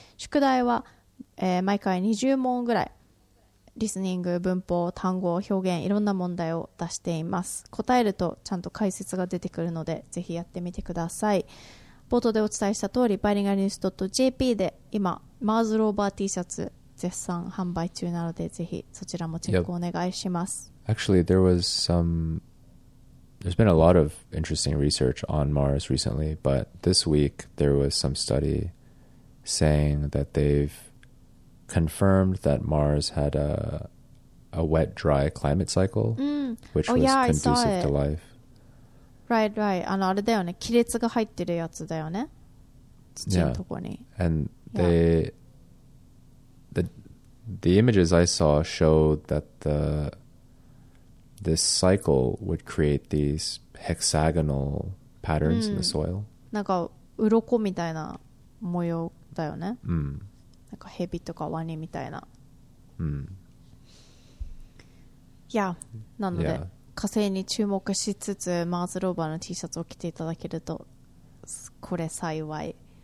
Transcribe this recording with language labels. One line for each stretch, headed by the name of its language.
Japanese: 宿題は、毎回20問ぐらい、リスニング、文法、単語、表現、いろんな問題を出しています。答えるとちゃんと解説が出てくるのでぜひやってみてください。冒頭でお伝えした通り、バイリンガルニュース .jp で今マーズローバー T シャツ絶賛販売中なので、ぜひそちらもチェックお願いします。
English: Actually there was some There's been a lot of interesting research on Mars recently, but this week there was some study saying that they've confirmed that Mars had a wet, dry climate cycle, which was conducive to life. Right, right.
Japanese: あの、あれだよね。亀裂が入ってるやつだよね。土のとこに。
English: And they, the images I saw showed that this cycle would create these hexagonal patterns in the soil.
Japanese: なんか鱗みたいな模様だよね。うん。なんか蛇とかワニみたいな。うん。いや、なので、yeah. 火星に注目しつつマーズローバーの T シャツを着ていただけるとこれ幸い。